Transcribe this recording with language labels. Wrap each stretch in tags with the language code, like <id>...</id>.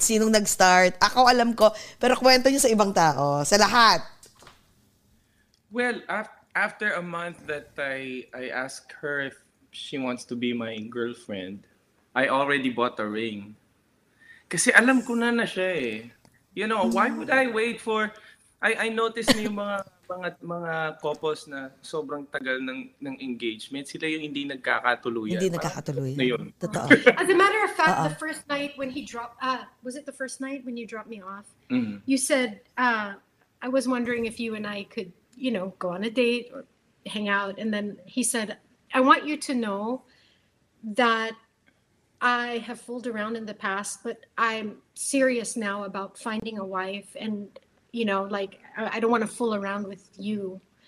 <tl>Sinong nag-start? Ako alam ko, pero kwento niyo sa ibang tao, sa lahat.</tl> <en>Well, after a month that I asked her if she wants to be my girlfriend, I already bought a ring.</en> <tl>Kasi alam ko na siya eh.</tl> <en>Why would I wait for... I noticed</en> <tl>na yung mga couples na sobrang tagal ng engagement, sila yung hindi nagkakatuluyan. Hindi nagkakatuluyan. Totoo.</tl> <en>As a matter of fact, the first night when he dropped, was it the first night when you dropped me off? Mm-hmm. You said, I was wondering if you and I could, go on a date or hang out. And then he said, I want you to know that I have fooled around in the past, but I'm serious now about finding a wife and, I don't want to fool around with you.</en>